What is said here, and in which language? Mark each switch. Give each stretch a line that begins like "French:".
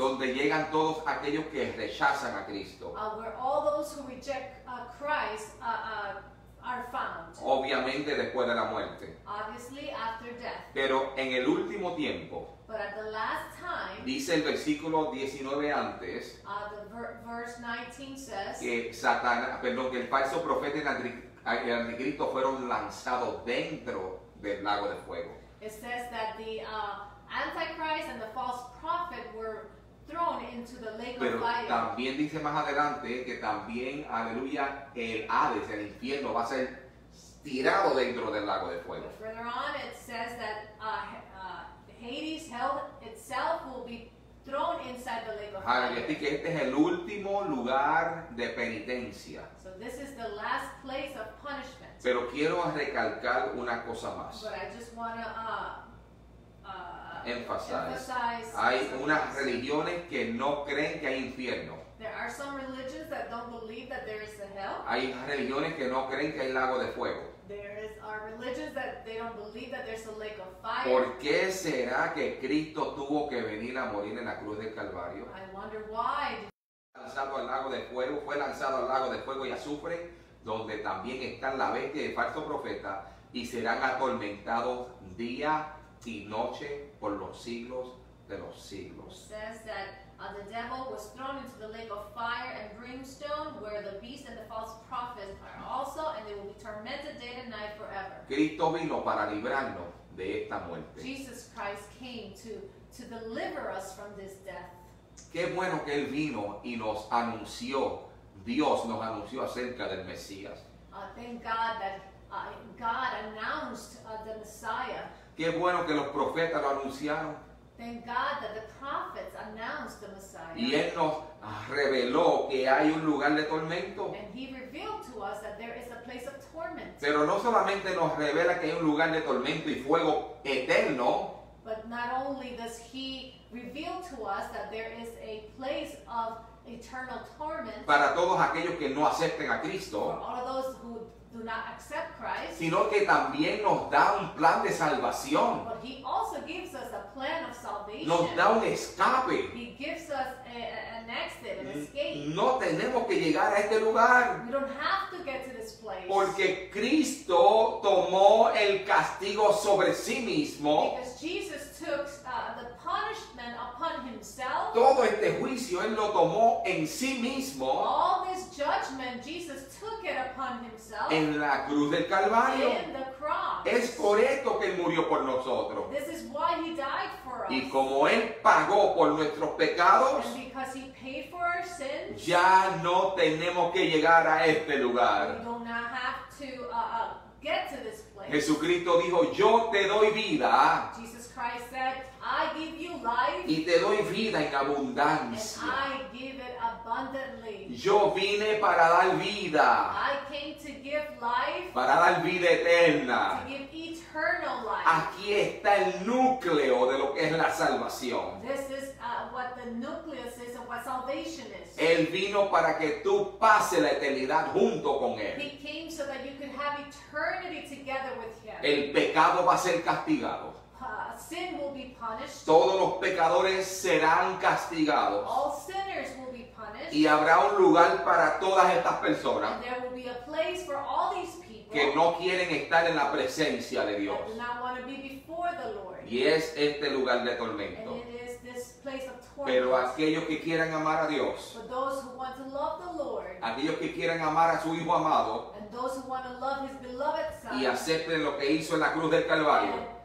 Spanish: donde llegan todos aquellos que rechazan a Cristo.
English: Where all those who reject Christ are found.
Spanish: Obviamente después de la muerte.
English: Obviously after death.
Spanish: Pero en el último tiempo.
English: But at the last time,
Spanish: dice el versículo 19 antes,
English: verse 19 says,
Spanish: que Satanás, perdón, que el falso profeta y el anticristo fueron lanzados dentro del lago de fuego.
English: It says that the antichrist and the false prophet were thrown into the lake
Spanish: Pero
English: of fire.
Spanish: Pero también dice más adelante que también, aleluya, el Hades, el infierno, va a ser tirado dentro del lago de fuego.
English: But further on, it says that Hades, hell itself, will be thrown inside the lake of fire.
Spanish: Así que este es el último lugar de penitencia.
English: So this is the last place of punishment.
Spanish: Pero quiero recalcar una cosa más.
English: But I just want to emphasize.
Spanish: Hay unas religiones que no creen que hay infierno.
English: There are some religions that don't believe that there is a hell.
Spanish: Hay religiones que no creen que hay lago de fuego.
English: Are religions that they don't believe that there's a lake of fire.
Spanish: ¿Por qué será que Cristo tuvo que venir a morir en la cruz del Calvario?
English: I wonder why.
Spanish: Lanzado al lago de fuego, fue lanzado al lago de fuego y azufre, donde también están la bestia y el falso profeta, y serán atormentados día y noche por los siglos de los siglos.
English: It says that the devil was thrown into the lake of fire and brimstone, where the beast and the false prophet are also, and they will be tormented day and night forever.
Spanish: Cristo vino para librarnos de esta muerte.
English: Jesus Christ came to deliver us from this death.
Spanish: Qué bueno que Él vino y nos anunció, Dios nos anunció acerca del Mesías.
English: Thank God that God announced the Messiah.
Spanish: Qué bueno que los profetas lo anunciaron.
English: Thank God that the prophets announced the Messiah.
Spanish: Y Él nos reveló que hay un lugar de tormento.
English: And He revealed to us that there is a place of torment.
Spanish: Pero no solamente nos revela que hay un lugar de tormento y fuego eterno.
English: But not only does He reveal to us that there is a place of eternal torment.
Spanish: Para todos aquellos que no acepten a Cristo.
English: For all of those who do not accept Christ.
Spanish: Sino que también nos da un plan de salvación.
English: But He also gives us a plan of salvation.
Spanish: Nos da un escape.
English: He gives us an exit, an escape.
Spanish: No tenemos que llegar a este lugar.
English: We don't have to get to this place.
Spanish: Porque Cristo tomó el castigo sobre sí mismo.
English: Because Jesus took the punishment upon Himself.
Spanish: Todo este juicio Él lo tomó en sí mismo.
English: All this judgment Jesus took it upon Himself.
Spanish: En la cruz del Calvario.
English: In the cross.
Spanish: Es por esto que Él murió por nosotros.
English: This is why He died for us.
Spanish: Y como Él pagó por nuestros pecados,
English: and because He paid for our sins,
Spanish: ya no tenemos que llegar a este lugar.
English: We do not have to get to this place.
Spanish: Jesucristo dijo, yo te doy vida.
English: Jesus Christ said, I give you life.
Spanish: Y te doy vida en abundancia.
English: And I give it abundantly.
Spanish: Yo vine para dar vida.
English: I came to give life.
Spanish: Para dar vida eterna.
English: To give eternal life.
Spanish: Aquí está el núcleo de lo que es la salvación.
English: This is what the nucleus is of what salvation is.
Spanish: Él vino para que tú pases la eternidad junto con Él.
English: He came so that you could have eternity together with Him.
Spanish: El pecado va a ser castigado.
English: Sin will be punished.
Spanish: Todos los pecadores serán castigados.
English: All sinners will be punished.
Spanish: Y habrá un lugar para todas estas personas.
English: And there will be a place for all these people
Spanish: que no quieren estar en la presencia de Dios.
English: That do not want to be before the Lord.
Spanish: Y es este lugar de tormento.
English: And it is this place of torment.
Spanish: Pero aquellos que quieran amar a Dios.
English: But those who want to love the Lord.
Spanish: Aquellos que quieran amar a su Hijo amado.
English: And those who want to love His beloved Son.
Spanish: Y acepten lo que hizo en la cruz del Calvario.